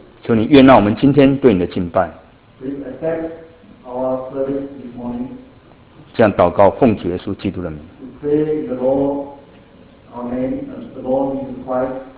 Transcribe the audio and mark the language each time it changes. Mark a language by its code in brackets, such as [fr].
[zh] 求你悦纳我们今天对你的敬拜。 [en] Please accept our service this morning. [zh] 这样祷告，奉主耶稣基督的名。 [en] We pray the Lord, our name, and the Lord Jesus Christ.